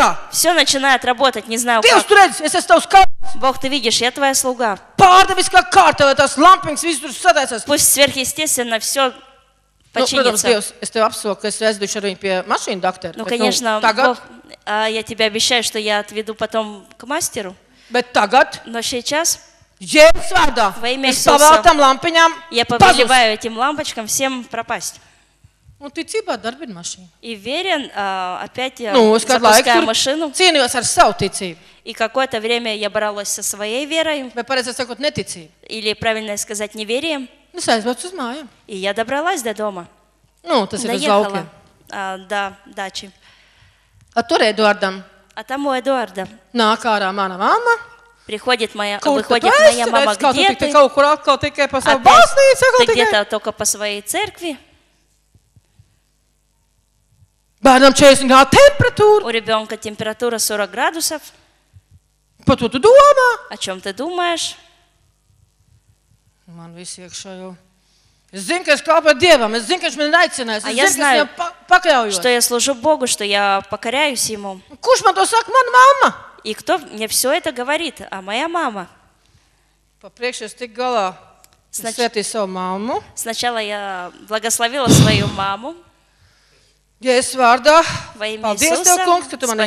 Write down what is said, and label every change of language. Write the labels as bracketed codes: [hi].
[ru] Все начинает работать, не знаю [lv] Dievs, [ru] как. [lv] Tu redzi, es tavs [ru] Бог, ты видишь, я твоя слуга. [lv] Pārdeviskā kārtā, tās lampiņas visu tur sadēsas. [ru] Пусть сверхъестественно все починится. [lv] Ну, es tev apsolu, ka es aizdušu ar viņu pie mašīnu doktora. [ru] Ну, конечно, ну, [lv] tagad... [ru] Бог, я тебе обещаю, что я отведу потом к мастеру. [lv] Bet tagad... [ru] Но сейчас... [lv] Jēzus vārdā, [ru] во имя [lv] Иисуса, es pavēlu tām lampiņām [ru] я повелеваю этим лампочкам всем пропасть. [lv] Un ticība darbina mašīnu. [ru] И верен, опять ну, запускаю машину. [lv] Cīnījos ar savu ticību. [ru] И какое-то время я боролась со своей верой. [lv] Vai pareizi sakot neticību. [ru] Или, правильно сказать, неверием. [lv] Ну, сайзбот uz māju. [ru] И я добралась до дома. [lv] Ну, tas ir uz lauki. [ru] Да, дачи. А тур Эдуардам. А там у Эдуарда. [lv] Nāk ārā mana mamma. [ru] Приходит моя, выходит моя мама, где ты? [lv] Kaut kur atkal tikai pa savu baznīcu, sakot [ru] tikai. Ты где-то только по своей церкви. [lv] Bērnam 40 grādu temperatūra. [ru] У ребенка температура 40 градусов. [lv] Par to tu domā? [ru] О чем ты думаешь? [lv] Man visi iekšā jau. Es zinu, ka es kalpoju Dievam. Es zinu, ka viņš mani aicināja. Es zinu, ka es viņam pakļaujos. [ru] Что я служу Богу, что я покоряюсь Ему. [lv] Kurš man to saka? Mana mamma. [ru] И кто мне все это говорит? А моя мама. [lv] Papriekš es tik galā. Svētī savu mammu. [ru] Сначала я благословила свою маму. [lv] Jēzus vārdā, paldies Tev, kungs, ka Tu mani